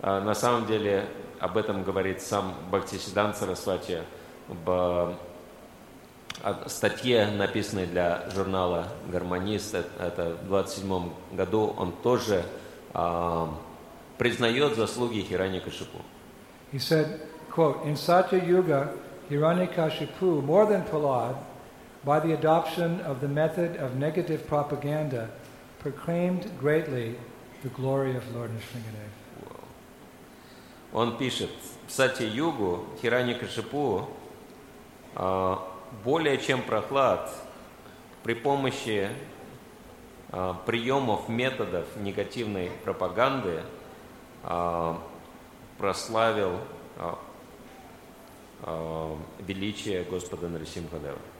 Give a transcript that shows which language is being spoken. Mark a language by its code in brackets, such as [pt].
[ru] На самом деле, об этом говорит сам Бхактисиддханта Сарасвати в статье, написанной для журнала «Гармонист», это в 27-м году, он тоже признает заслуги Хиранья-Кашипу. [en] He said, quote, in Satya Yuga, Hiranyakashipu, more than Prahlad, by the adoption of the method of negative propaganda, proclaimed greatly the glory of Lord Nrisimhadev. [ru] Он пишет, в Сатья Югу Хиранья-Кашипу, более чем Прахлад, при помощи приемов, методов негативной пропаганды, прославил величие Господа Нрисимхадева.